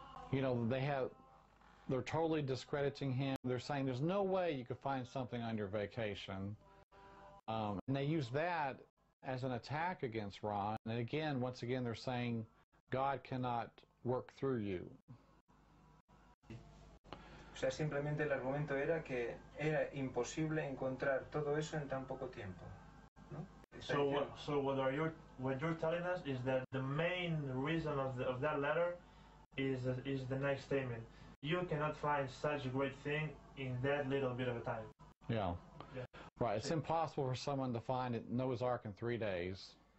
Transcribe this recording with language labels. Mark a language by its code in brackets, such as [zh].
[en] You know, they're totally discrediting him. They're saying there's no way you could find something on your vacation. And they use that as an attack against Ron. And again, once again, they're saying God cannot work through you. [es] O sea, simplemente el argumento era que era imposible encontrar todo eso en tan poco tiempo. [en] So what you're telling us is that the main reason of that letter is the next statement. You cannot find such a great thing in that little bit of a time. Yeah. Right. It's impossible for someone to find Noah's Ark in 3 days.